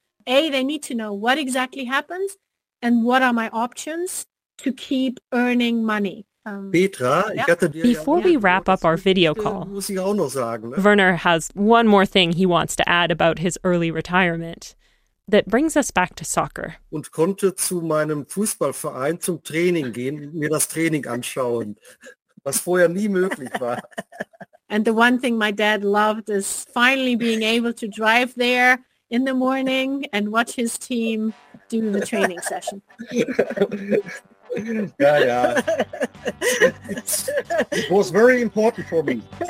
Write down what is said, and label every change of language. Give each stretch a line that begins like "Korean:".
English: A, they need to know what exactly happens and what are my options to keep earning money. Petra, yeah. Before we wrap up our video call, Werner has one more thing he wants to add about his early retirement that brings us back to soccer.
German: Und konnte zu meinem Fußballverein zum Training gehen, mir das Training anschauen, was vorher nie möglich war.
English: And the one thing my dad loved is finally being able to drive there in the morning and watch his team do the training session. Yeah, yeah. It was very important for me.